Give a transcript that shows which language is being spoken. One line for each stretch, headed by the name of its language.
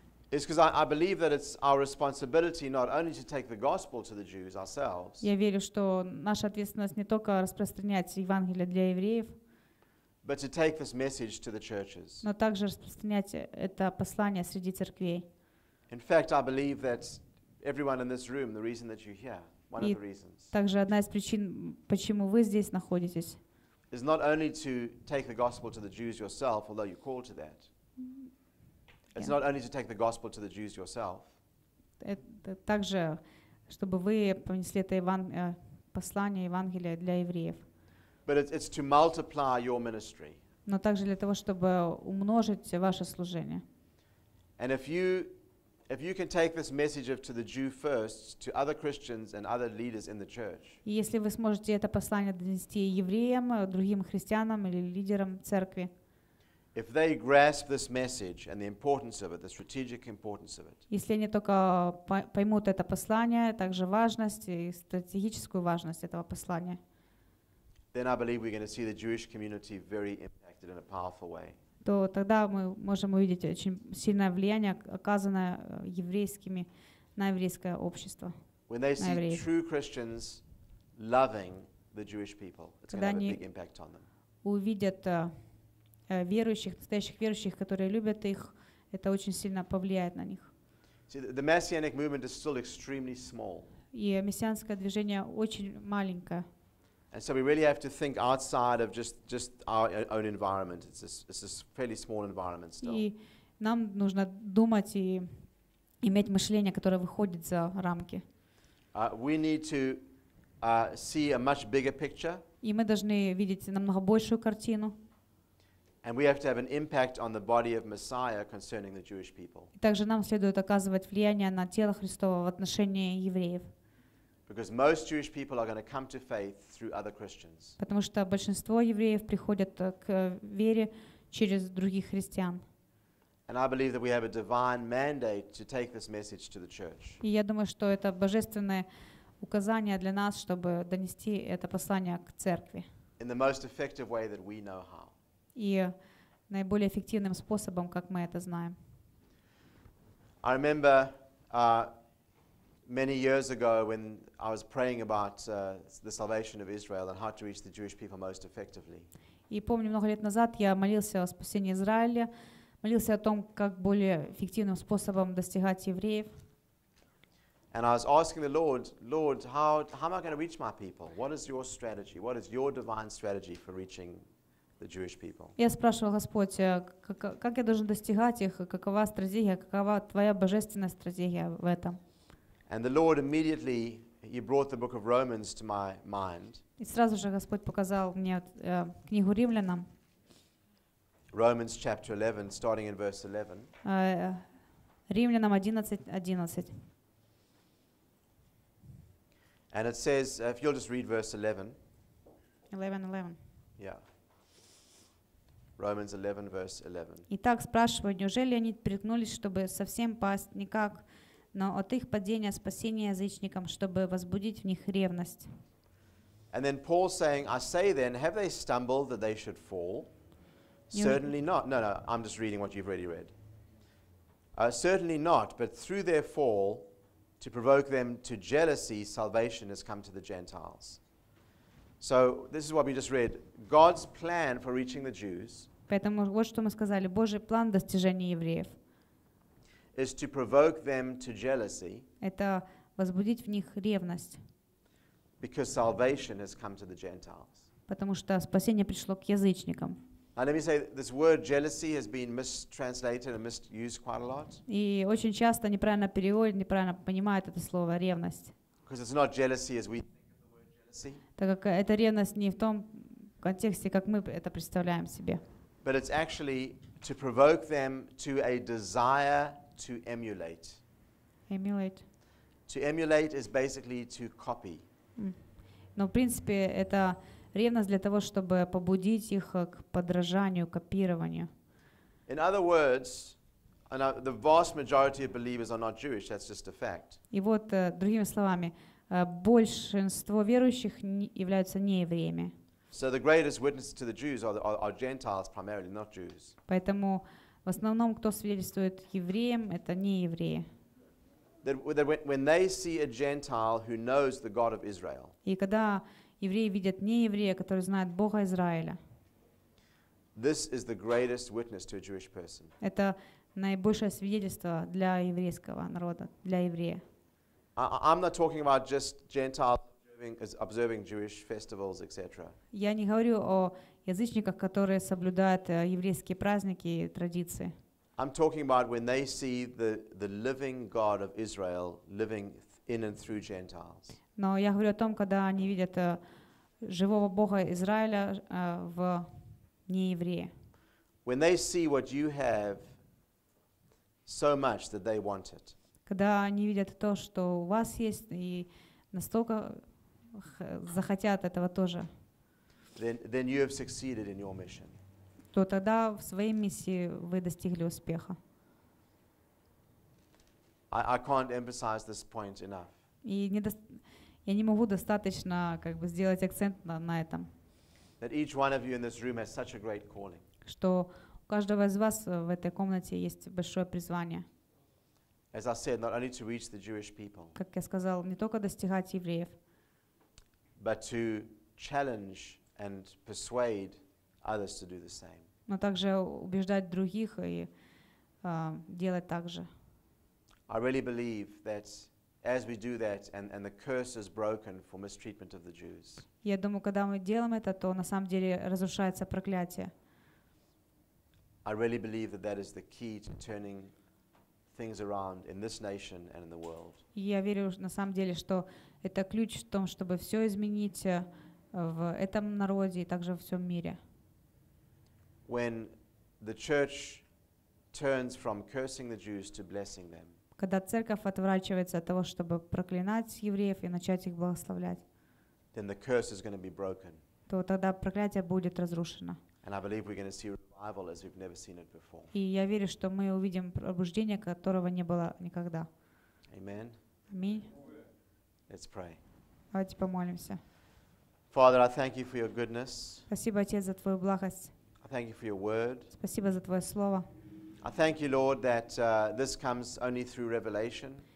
English: Is because I believe that it's our responsibility not only to take the gospel to the Jews ourselves.
Russian: Я верю, что наша ответственность не только распространять Евангелие для евреев.
English: But to take this message to the churches.
Russian: Но также распространять это послание среди церквей.
English: In fact, I believe that everyone in this room, the reason that you're here, one of the reasons.
Russian: Также одна из причин, почему вы здесь находитесь.
English: Is not only to take the gospel to the Jews yourself, although you're called to that. It's not only to take the gospel to the Jews yourself.
Russian: Это также, чтобы вы понесли это послание Евангелия для евреев.
English: But it's to multiply your ministry.
Russian: Но также для того, чтобы умножить ваше служение.
English: And if you can take this message of to the Jew first to other Christians and other leaders in the church.
Russian: Если вы сможете это послание донести евреям, другим христианам или лидерам церкви.
English: If they grasp this message and the importance of it, the strategic importance of it.
Russian: Если они только поймут это послание, также важность и стратегическую важность этого послания.
English: Then I believe we're going to see the Jewish community very impacted in a powerful way.
Russian: То тогда мы можем увидеть очень сильное влияние, оказанное еврейскими на еврейское общество.
English: When they see true Christians loving the Jewish people, it's going to have a big impact on them.
Russian: Увидят верующих, настоящих верующих, которые любят их, это очень сильно повлияет на них.
English: See, the messianic movement is still extremely small.
Russian: И мессианское движение очень маленькое.
English: And so we really have to think outside of just our own environment. It's a fairly small environment still.
Russian: И нам нужно думать и иметь мышление, которое выходит за рамки.
English: We need to see a much bigger picture.
Russian: И мы должны видеть намного большую картину.
English: And we have to have an impact on the body of Messiah concerning the Jewish people.
Russian: И также нам следует оказывать влияние на тело Христово в отношении евреев.
English: Because most Jewish people are going to come to faith through other Christians.
Russian: Потому что большинство евреев приходят к вере через других христиан.
English: And I believe that we have a divine mandate to take this message to the church.
Russian: И я думаю, что это божественное указание для нас, чтобы донести это послание к церкви.
English: In the most effective way that we know how.
Russian: И наиболее эффективным способом, как мы это знаем.
English: I remember many years ago when I was praying about the salvation of Israel and how to reach the Jewish people most effectively.
Russian: И помню, много лет назад я молился о спасении Израиля, молился о том, как более эффективным способом достигать евреев.
English: And I was asking the Lord, how am I going to reach my people? What is your strategy? What is your divine strategy for reaching the Jewish people?
Russian: Я спрашивал Господь, как я должен достигать их, какова стратегия, какова твоя божественная стратегия в этом?
English: And the Lord immediately, he brought the book of Romans to my mind.
Russian: И сразу же Господь показал мне книгу Римлянам.
English: Romans chapter 11, starting in verse 11.
Russian: Римлянам 11:11.
English: And it says, if you'll just read verse 11.
Russian: 11:11.
English: Yeah. Romans 11, verse 11.
Russian: Итак, спрашиваю, неужели они преткнулись, чтобы совсем пасть? Никак. Но от их падения спасение язычникам, чтобы возбудить в них ревность.
English: And then Paul saying, I say then, have they stumbled that they should fall? Certainly not. No, I'm just reading what you've already read. Certainly not, but through their fall, to provoke them to jealousy, salvation has come to the Gentiles. So this is what we just read. God's plan for reaching the Jews.
Russian: Поэтому вот что мы сказали. Божий план достижения евреев.
English: Is to provoke them to jealousy.
Russian: Это возбудить в них ревность.
English: Because salvation has come to the Gentiles.
Russian: Потому что спасение пришло к язычникам.
English: And let me say, this word jealousy has been mistranslated and misused quite a lot.
Russian: И очень часто неправильно переводят, неправильно понимают это слово ревность.
English: Because it's not jealousy as we.
Russian: Так как эта ревность не в том контексте, как мы это представляем себе.
English: But it's actually to provoke them to a desire to emulate. Emulate. To emulate is basically to copy.
Russian: Но в принципе это ревность для того, чтобы побудить их к подражанию, копированию.
English: In other words, the vast majority of believers are not Jewish. That's just a fact.
Russian: И вот другими словами. Большинство верующих являются неевреями.
English: So the greatest witness to the Jews are Gentiles primarily, not Jews.
Russian: Поэтому в основном кто свидетельствует евреям, это неевреи.
English: That when they see a Gentile who knows the God of Israel.
Russian: И когда евреи видят нееврея, который знает Бога Израиля.
English: This is the greatest witness to a Jewish person.
Russian: Это наибольшее свидетельство для еврейского народа, для еврея.
English: I'm not talking about just Gentiles observing Jewish festivals, etc.
Russian: Я не говорю о язычниках, которые соблюдают еврейские праздники и традиции.
English: I'm talking about when they see the living God of Israel living in and through Gentiles.
Russian: Но я говорю о том, когда они видят живого Бога Израиля в неевреи.
English: When they see what you have so much that they want it.
Russian: Когда они видят то, что у вас есть, и настолько захотят этого тоже,
English: then you have succeeded in your mission.
Russian: То тогда в своей миссии вы достигли успеха.
English: I can't emphasize this point enough.
Russian: И я не могу достаточно как бы сделать акцент на этом.
English: That each one of you in this room has such a great calling.
Russian: Что у каждого из вас в этой комнате есть большое призвание.
English: As I said, not only to reach the Jewish people.
Russian: Как я сказал, не только достигать евреев.
English: But to challenge and persuade others to do the same.
Russian: Но также убеждать других и делать так же.
English: I really believe that as we do that and the curse is broken for mistreatment of the Jews.
Russian: Я думаю, когда мы делаем это, то на самом деле разрушается проклятие.
English: I really believe that is the key to turning things around in this nation and in the world.
Russian: Я верю на самом деле, что это ключ в том, чтобы всё изменить в этом народе и также во всём мире.
English: When the church turns from cursing the Jews to blessing them.
Russian: Когда церковь отворачивается от того, чтобы проклинать евреев и начать их благословлять.
English: Then the curse is going to be broken.
Russian: То тогда проклятие будет разрушено.
English: And I believe we're going to see revival as we've never seen it before.
Russian: И я верю, что мы увидим пробуждение, которого не было никогда.
English: Amen.
Russian: Аминь.
English: Let's pray.
Russian: Давайте помолимся.
English: Father, I thank you for your goodness.
Russian: Спасибо, Отец, за твою благость.
English: I thank you for your word.
Russian: Спасибо за твое слово.
English: I thank you, Lord, that this comes only through revelation.